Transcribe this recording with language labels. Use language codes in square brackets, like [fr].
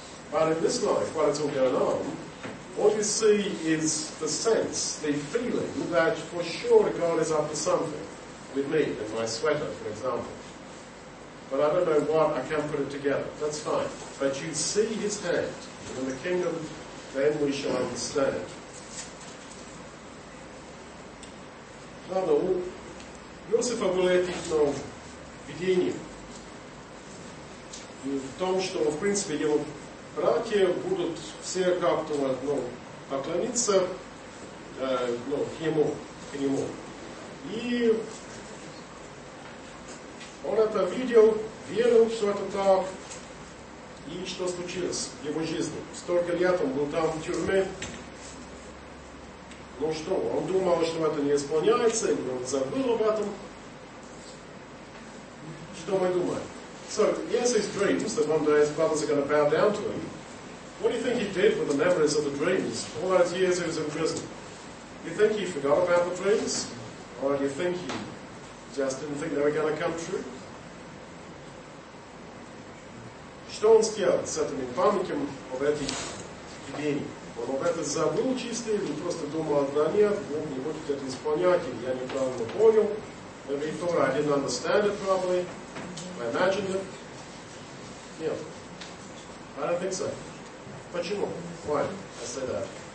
[en] But in this life, while it's all going on, all you see is the sense, the feeling, that for sure God is up to something with me, in my sweater, for example. But I don't know what, I can't put it together. That's fine. But you see his hand, and in the kingdom, then we shall understand. [ru] Правда, у Иосифа было это видение. И в том, что, в принципе, его братья будут все как-то, ну, поклониться к нему. И он это видел, верил, что это так. И что случилось в его жизни? Столько лет он был там в тюрьме. Ну что, он думал, что это не исполняется, и он забыл об этом. Что мы думаем? [en] So, he has his dreams that one day his brothers are going to bow down to him. What do you think he did with the memories of the dreams all those years he was in prison? Do you think he forgot about the dreams? Or do you think he just didn't think they were going to come true? [ru] Что он сделал с этими памятниками об этих видениях? он об этом забыл чистый, он просто думал, да нет, Бог не будет это исполнять, или я неправильно понял. [en] Maybe Torah, I didn't understand it properly, I imagined it. [ru] Нет. [en] I don't think so. [ru] Почему? [en] Why? I say that.